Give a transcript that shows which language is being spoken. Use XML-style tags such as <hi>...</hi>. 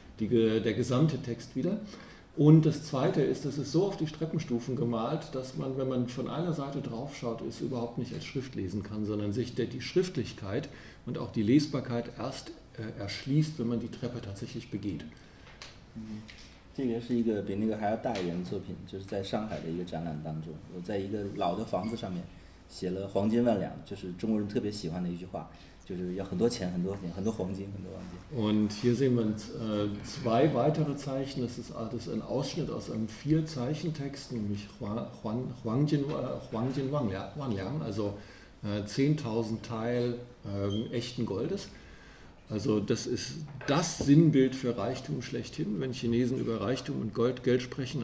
<de>der gesamte Text wieder. Und das Zweite ist, das ist so auf die Treppenstufen gemalt, dass man, wenn man von einer Seite drauf schaut, es überhaupt nicht als Schrift lesen kann, sondern sich die Schriftlichkeit und auch die Lesbarkeit erst erschließt, wenn man die Treppe tatsächlich begeht. Das ist eine</de> <zh>比那个还要大一点的作品，就是在上海的一个展览当中，我在一个老的房子上面写了"黄金万两"，就是中国人特别喜欢的一句话。就是要很多钱，很多钱，很多黄金，很多黄金。</zh> <de>Und hier sehen wir zwei weitere Zeichen. Das ist ein Ausschnitt aus einem Vierzeichentext, nämlich Huangjin Wanliang, also 10.000 Teil echten Goldes. Also das ist das Sinnbild für Reichtum schlechthin, wenn Chinesen über Reichtum und Gold, Geld sprechen.</de>